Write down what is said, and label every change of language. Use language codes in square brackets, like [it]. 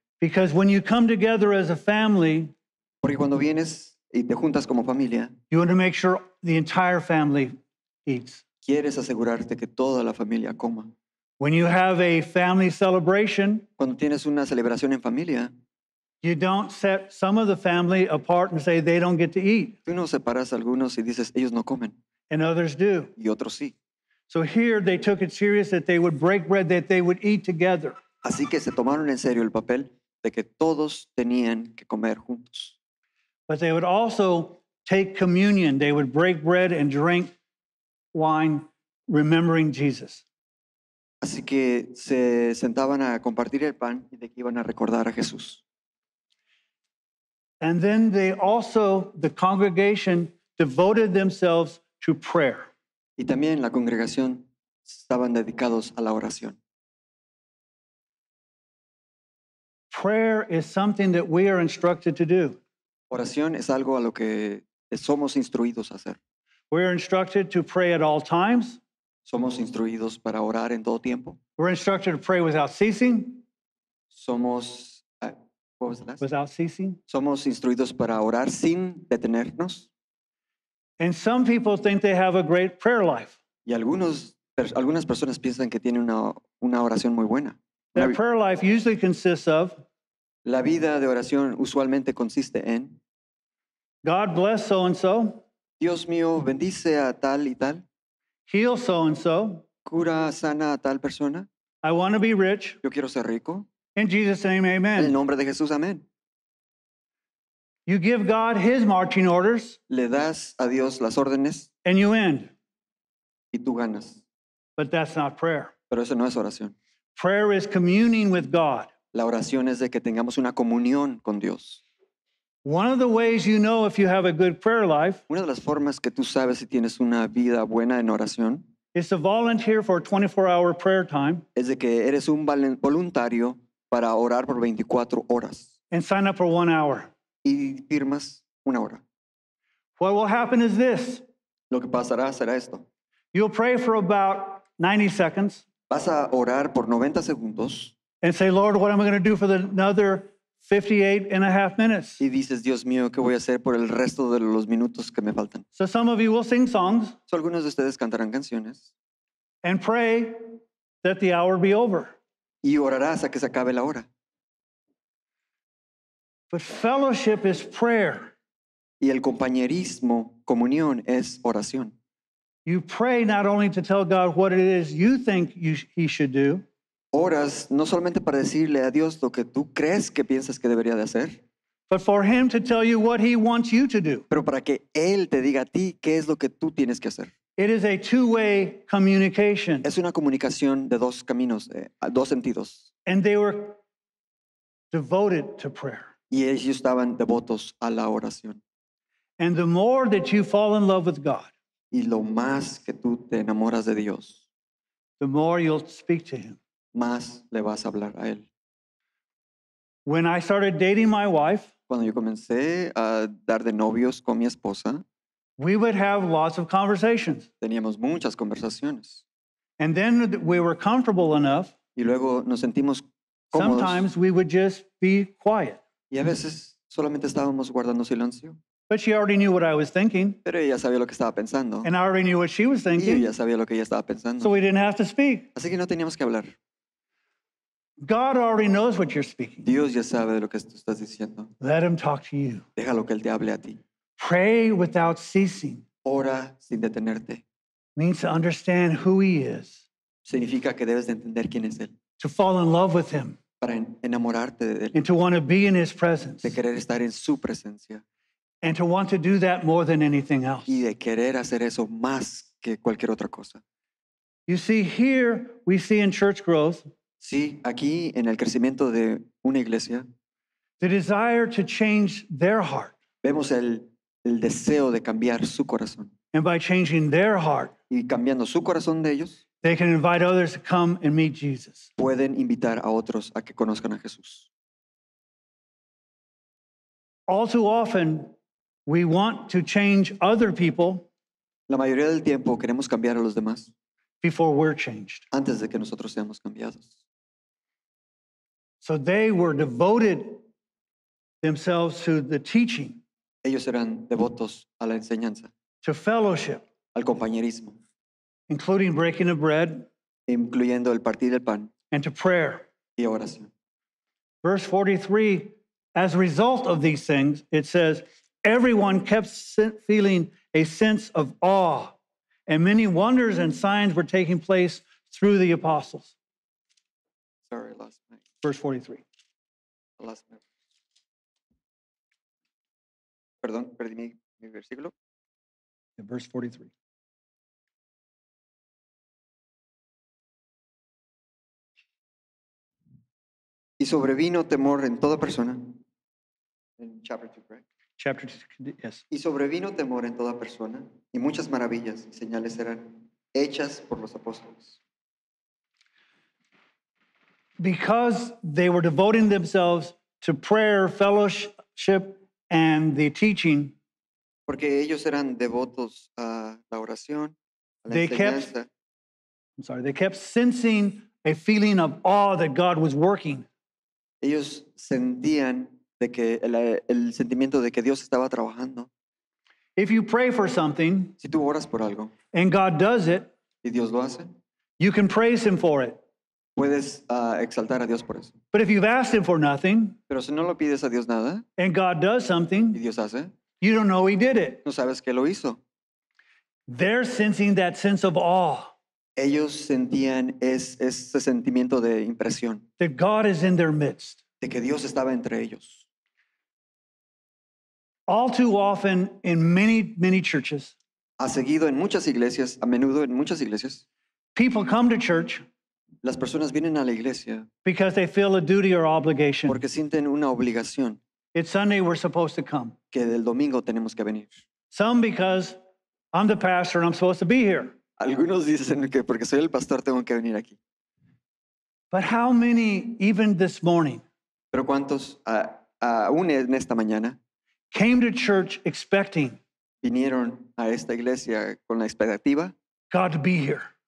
[en] Because when you come together as a family, [es] porque cuando vienes y te juntas como familia, [en] you want to make sure the entire family eats. [es] Quieres asegurarte que toda la familia coma. [en] When you have a family celebration, [es] cuando tienes una celebración en familia, [en] you don't set some of the family apart and say they don't get to eat. [es] Tú no separas a algunos y dices ellos no comen. [en] And others do. [es] Y otros sí. [en] So here they took it serious that they would break bread, that they would eat together. [es] Así que se tomaron en serio el papel de que todos tenían que comer juntos. [en] But they would also take communion. They would break bread and drink wine, remembering Jesus. [es] Así que se sentaban a compartir el pan y de que iban a recordar a Jesús. [en] And then they also, the congregation, devoted themselves to prayer. [es] Y también la congregación estaban dedicados a la oración. [en] Prayer is something that we are instructed to do. [es] Oración es algo a lo que somos instruidos a hacer. [en] We are instructed to pray at all times. [es] Somos instruidos para orar en todo tiempo. [en] We're instructed to pray without ceasing. [es] Somos, [en] what was the last? Without ceasing. [es] Somos instruidos para orar sin detenernos. [en] And some people think they have a great prayer life. [es] Y algunas personas piensan que tienen una oración muy buena. [en] Their prayer life usually consists of. [es] La vida de oración usualmente consiste en. [en] God bless so and so. [es] Dios mío, bendice a tal y tal. [en] Heal so and so. [es] Cura sana a tal persona. [en] I want to be rich. [es] Yo quiero ser rico. [en] In Jesus' name, amen. [es] En nombre de Jesús, amén. [en] You give God his marching orders. [es] Le das a Dios las órdenes. [en] And you end. [es] Y tú ganas. [en] But that's not prayer. [es] Pero eso no es oración. [en] Prayer is communing with God. [es] La oración es de que tengamos una comunión con Dios. [en] One of the ways you know if you have a good prayer life. [es] Una de las formas que tú sabes si tienes una vida buena en oración. [en] Is to volunteer for a 24-hour prayer time. [es] Es de que eres un voluntario para orar por 24 horas. [en] And sign up for 1 hour. [es] Y firmas una hora. [en] What will happen is this. [es] Lo que pasará será esto. [en] You'll pray for about 90 seconds. [es] Vas a orar por 90 segundos. [en] And say, Lord, what am I going to do for another 58 and a half minutes? [es] Y dices, Dios mío, ¿qué voy a hacer por el resto de los minutos que me faltan? [en] So some of you will sing songs. [es] So algunos de ustedes cantarán canciones. [en] And pray that the hour be over. [es] Y orarás a que se acabe la hora. [en] But fellowship is prayer. [es] Y el compañerismo, comunión, es oración. [en] You pray not only to tell God what it is you think he should do. [es] Oras no solamente para decirle a Dios lo que tú crees que piensas que debería de hacer. [en] But for him to tell you what he wants you to do. [es] Pero para que él te diga a ti qué es lo que tú tienes que hacer. [en] It is a two-way communication. [es] Es una comunicación de dos caminos, dos sentidos. [en] And they were devoted to prayer. [es] Y ellos estaban devotos a la oración. [en] And the more that you fall in love with God. [es] Y lo más que tú te enamoras de Dios. [en] The more you'll speak to him. [es] Más le vas a hablar a él. [en] When I started dating my wife. [es] Cuando yo comencé a dar de novios con mi esposa. [en] We would have lots of conversations. [es] Teníamos muchas conversaciones. [en] And then we were comfortable enough. [es] Y luego nos sentimos cómodos. [en] Sometimes we would just be quiet. [es] Y a veces solamente estábamos guardando silencio. [en] But she already knew what I was thinking. [es] Pero ella sabía lo que estaba pensando. [en] And I already knew what she was thinking. [es] Y ella sabía lo que ella estaba pensando. [en] So we didn't have to speak. [es] Así que no teníamos que hablar. [en] God already knows what you're speaking. [es] Dios ya sabe de lo que tú estás diciendo. [en] Let him talk to you. [es] Déjalo que él te hable a ti. [en] Pray without ceasing. [es] Ora sin detenerte. [en] Means to understand who he is. [es] Significa que debes de entender quién es él. [en] To fall in love with him. [es] Para enamorarte de él. [en] And to want to be in his presence. [es] De querer estar en su presencia. [en] And to want to do that more than anything else. [es] Y de querer hacer eso más que cualquier otra cosa. [en] You see, here we see in church growth. [es] Sí, aquí en el crecimiento de una iglesia. [en] The desire to change their heart. [es] Vemos el deseo de cambiar su corazón. [en] And by changing their heart. [es] Y cambiando su corazón de ellos. [en] They can invite others to come and meet Jesus. [es] Pueden invitar a otros a que conozcan a Jesús. [en] All too often. We want to change other people. [es] La mayoría del tiempo queremos cambiar a los demás. [en] Before we're changed. [es] Antes de que nosotros seamos cambiados. [en] So they were devoted themselves to the teaching. [es] Ellos eran devotos a la enseñanza. [en] To fellowship. [es] Al compañerismo. [en] Including breaking of bread. [es] Incluyendo el partir del pan. [en] And to prayer. [es] Y oración. [en] Verse 43, as a result of these things, it says, everyone kept feeling a sense of awe, and many wonders and signs were taking place through the apostles. Sorry, last minute. Verse 43. Last minute. [es] Perdón, perdí mi versículo. [en] Yeah, verse 43. [es] Y sobrevino temor en toda persona. [en] In chapter 2, right? Chapter 2, yes. [es] Y sobrevino temor en toda persona, y muchas maravillas y señales eran hechas por los apóstoles. [en] Because they were devoting themselves to prayer, fellowship, and the teaching. [es] Porque ellos eran devotos a la oración, a la [en] They kept sensing a feeling of awe that God was working. [es] Ellos sentían de que el sentimiento de que Dios estaba trabajando. [en] If you pray for something, [es] si tú oras por algo, [en] and God does it, [es] y Dios lo hace, [en] you can praise Him for it. [es] Puedes exaltar a Dios por eso. [en] But if you've asked Him for nothing, [es] pero si no lo pides a Dios nada, [en] and God does something, [es] y Dios hace, [en] you don't know He did it. [es] No sabes que lo hizo. [en] They're sensing that sense of awe. [es] Ellos sentían ese sentimiento de impresión. [en] That God is in their midst. [es] De que Dios estaba entre ellos. [en] All too often in many, many churches. [es] Ha seguido en muchas iglesias, a menudo en muchas iglesias. [en] People come to church. [es] Las personas vienen a la iglesia. [en] Because they feel a duty or obligation. [es] Porque sienten una obligación. [en] It's Sunday, we're supposed to come. [es] Que del domingo tenemos que venir. [en] Some because I'm the pastor and I'm supposed to be here. [es] Algunos dicen que porque soy el pastor tengo que venir aquí. [en] But how many, even this morning, [es] pero cuántos, aún en esta mañana, [en] came to church expecting, [es] vinieron a esta iglesia con la expectativa, [en] God to be here,